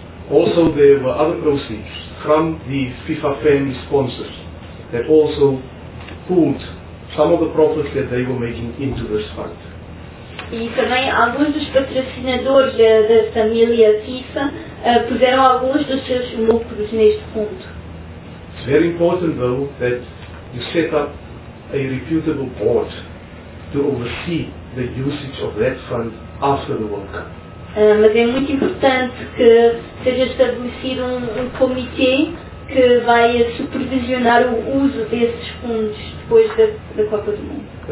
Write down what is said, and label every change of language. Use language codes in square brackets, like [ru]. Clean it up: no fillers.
[en] Also there were other proceeds from the FIFA family sponsors that also pooled some of the profits that they were making into this fund. [pt] E também alguns dos patrocinadores da família FIFA puseram alguns dos seus lucros neste fundo. [en] It's very important though that you set up a reputable board to oversee the usage of that fund after the World Cup. [pt] Mas é muito importante que seja estabelecido um comitê que vai supervisionar o uso desses fundos depois da Copa do Mundo.